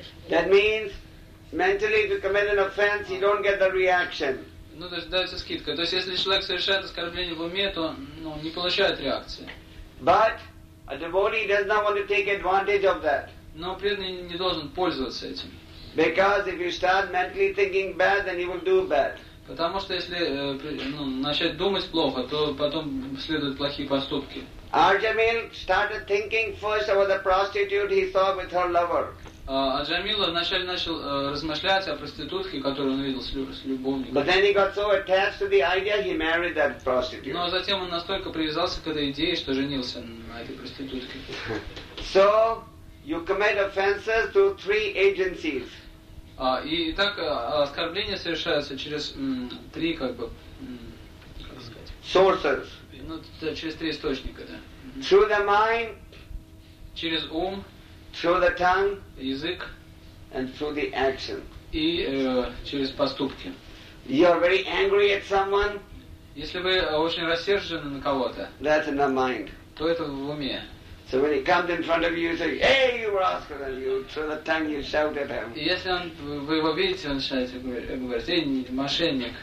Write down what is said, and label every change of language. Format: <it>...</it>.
<en>That means, mentally, if you commit an offense, you don't get the reaction.</en> <ru>Ну, то есть дается скидка. То есть, если человек совершает оскорбление в уме, то ну, не получает реакции.</ru> <en>But a devotee does not want to take advantage of that.</en> <ru>Но преданный не должен пользоваться этим.</ru> <en>Because if you start mentally thinking bad, then you will do bad.</en> <ru>Потому что если ну, начать думать плохо, то потом следуют плохие поступки.</ru> <en>Аджамил started thinking first about the prostitute he saw with her lover.</en> <ru>Аджамила вначале начал размышлять о проститутке, которую он видел с любовником.</ru> <en>But then he got so attached to the idea he married that prostitute.</en> <ru>Но затем он настолько привязался к этой идее, что женился на этой проститутке.</ru> <en>So you commit offenses through three agencies.</en> <ru>Итак, оскорбления совершаются через три, как бы, как сказать?</ru> <en>Sources.</en> <ru>Ну, через три источника, да.</ru> <en>Through the mind.</en> <ru>Через ум.</ru> <en>Through the tongue.</en> <ru>Язык.</ru> <en>And through the action.</en> <ru>И через поступки.</ru> <en>You are very angry at someone.</en> <ru>Если вы очень рассержены на кого-то.</ru> <en>That's in the mind.</en> <ru>То это в уме.</ru> <en>So when he comes in front of you, you say, "Hey, you rascal!" And you through the tongue you shout at him.</en> <ru>Если он вы его видите, он начинает говорить, "Эй, мошенник!"</ru>